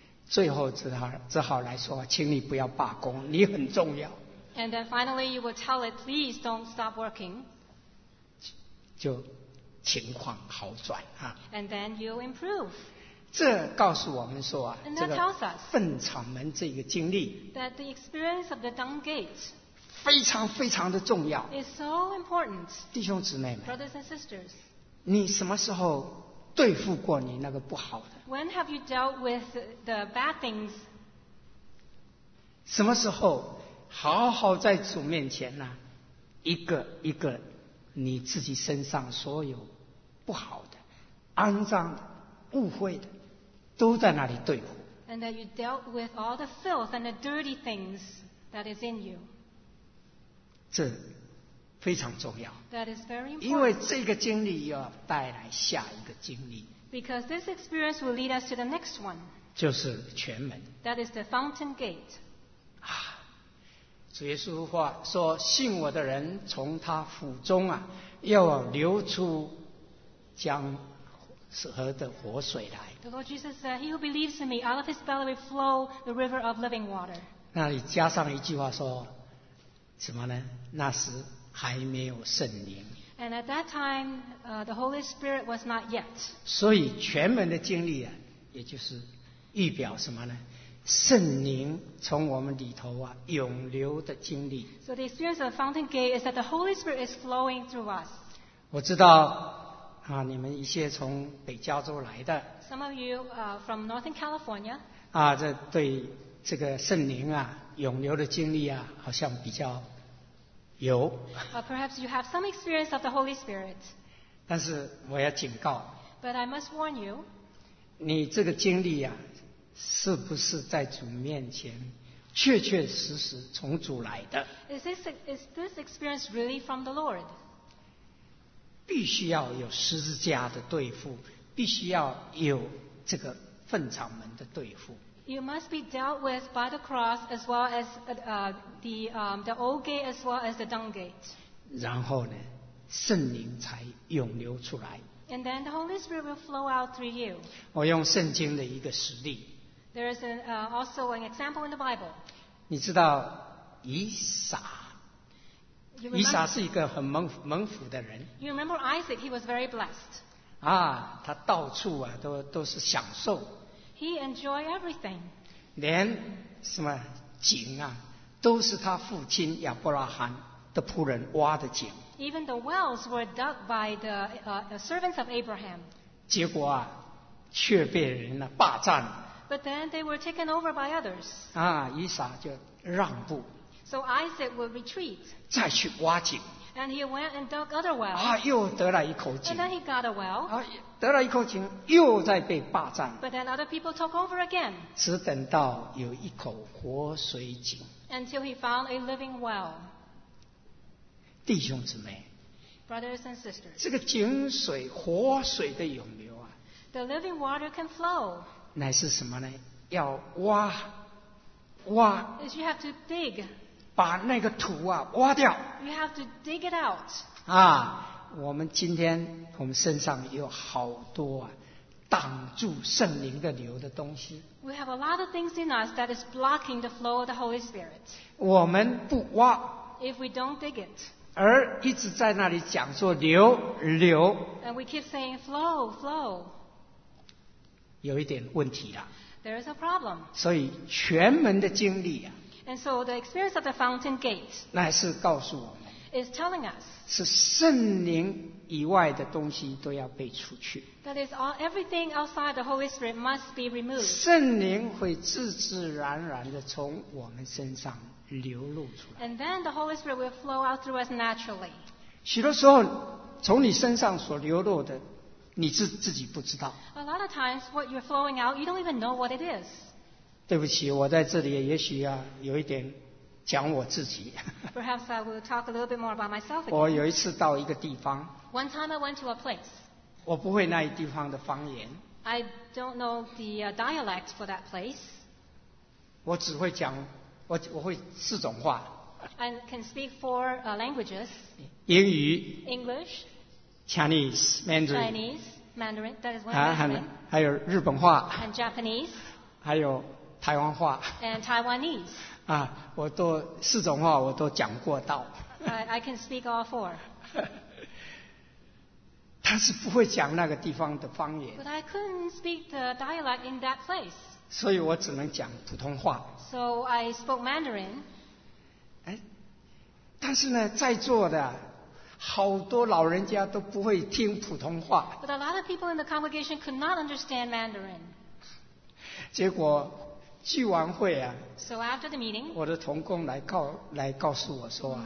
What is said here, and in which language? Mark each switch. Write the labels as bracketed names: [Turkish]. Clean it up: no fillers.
[Chinese] 最后只好来说，请你不要罢工，你很重要。 [English] And then finally you will tell it, please don't stop working. [Chinese] 就情况好转啊。 [English] And then you improve. [Chinese] 这告诉我们说啊， [English] and that tells us [Chinese] 这个粪场门这个经历 [English] that the experience of the dung gate [Chinese] 非常非常的重要 [English] is so important. [Chinese] 弟兄姊妹们 [English] brothers and sisters, [Chinese] 你什么时候对付过你那个不好的 [English] when have you dealt with the bad things? [Chinese] 什么时候好好在主面前呢、啊？一个一个你自己身上所有不好的肮脏的误会的都在那里对付 [English] and that you dealt with all the filth and the dirty things that is in you [Chinese] 这非常重要 [English] that is very important [Chinese] 因为这个经历要带来下一个经历 [English] because this experience will lead us to the next one [Chinese] 就是泉门 [English] that is the fountain gate [Chinese] 啊，主耶稣话说信我的人从他腹中啊，要流出江河的活水来。 [English] The Lord Jesus said, "He who believes in me, out of his belly will flow the river of living water." [Chinese] 那里加上一句话说，什么呢？那时还没有圣灵。 [English] And at that time, the Holy Spirit was not yet. [Chinese] 所以全门的经历啊，也就是预表什么呢？圣灵从我们里头啊涌流的经历。 [English] So the experience of the fountain gate is that the Holy Spirit is flowing through us. [Chinese] 我知道。啊，你们一些从北加州来的 [English] ，Some of you from Northern California。 [Chinese] 啊，这对这个圣灵啊涌流的经历啊，好像比较有。 [English] Perhaps you have some experience of the Holy Spirit。 [Chinese] 但是我要警告。 [English] But I must warn you。 [Chinese] 你这个经历啊，是不是在主面前确确实实从主来的 [English] ？Is this experience really from the Lord？ [Chinese] 必须要有十字架的对付，必须要有这个粪场门的对付。 [English] You must be dealt with by the cross as well as the old gate as well as the dung gate. [Chinese] 然后呢，圣灵才涌流出来。 [English] And then the Holy Spirit will flow out through you. [Chinese] 我用圣经的一个实例。 [English] There is also an example in the Bible. [Chinese] 你知道以撒。以撒是一个很蒙福的人。 [English] You remember Isaac? He was very blessed. [Chinese] 啊，他到处啊都是享受。 [English] He enjoyed everything. [Chinese] 连什么井啊，都是他父亲亚伯拉罕的仆人挖的井。 [English] Even the wells were dug by the servants of Abraham. [Chinese] 结果啊，却被人呢霸占。 [English] But then they were taken over by others. [Chinese] 啊，以撒就让步。 [English] So Isaac would retreat. [Chinese] 再去挖井。 [English] And he went and dug other wells. [Chinese] 啊，又得了一口井。 [English] And then he got a well. [Chinese] 啊，得了一口井，又再被霸占。 [English] But then other people took over again. [Chinese] 只等到有一口活水井。 [English] Until he found a living well. [Chinese] 弟兄姊妹。 [English] Brothers and sisters. [Chinese] 这个井水、活水的涌流啊。 [English] The living water can flow. [Chinese] 乃是什么呢？要挖，挖。 [English] You have to dig. [Chinese] 把那个土啊挖掉。 [English] You have to dig it out. 啊， [Chinese] 我们今天我们身上有好多啊挡住圣灵的流的东西。 [English] We have a lot of things in us that is blocking the flow of the Holy Spirit. [Chinese] 我们不挖。 [English] If we don't dig it. [Chinese] 而一直在那里讲说流流。 [English] And we keep saying flow, flow. [Chinese] 有一点问题啊。 [English] There is a problem. [Chinese] 所以全门的经历啊。 [English] And so the experience of the fountain gate. [Chinese] 乃是告诉我们。 [English] Is telling us. [Chinese] 是圣灵以外的东西都要被除去。 [English] That is all, everything outside the Holy Spirit must be removed. [Chinese] 圣灵会自自然然地从我们身上流露出来。 [English] And then the Holy Spirit will flow out through us naturally. [Chinese] 许多时候，从你身上所流露的，你自己不知道。 [English] A lot of times, what you're flowing out, you don't even know what it is. [Chinese] 对不起，我在这里也许啊，有一点讲我自己。 [English] Perhaps I will talk a little bit more about myself again. [Chinese] 我有一次到一个地方。 [English] One time I went to a place. [Chinese] 我不会那一地方的方言。 [English] I don't know the dialect for that place. [Chinese] 我只会讲 我会四种话。 [English] I can speak four languages. [Chinese] 英语。 [English] English. Chinese. Mandarin. Chinese. Mandarin. That is one of them. [Chinese] 还有日本话。 [English] And Japanese. [Chinese] 还有台湾话。 [English] And Taiwanese. [Chinese] 啊，我都四种话我都讲过到。 [English] I can speak all four. [Chinese] 他是不会讲那个地方的方言。 [English] But I couldn't speak the dialect in that place. [Chinese] 所以我只能讲普通话。 [English] So I spoke Mandarin. [Chinese] 但是呢，在座的好多老人家都不会听普通话。 [English] But a lot of people in the congregation could not understand Mandarin. [Chinese] 结果聚完会啊， [English] so、after the meeting, [Chinese] 我的同工来告诉我说、啊、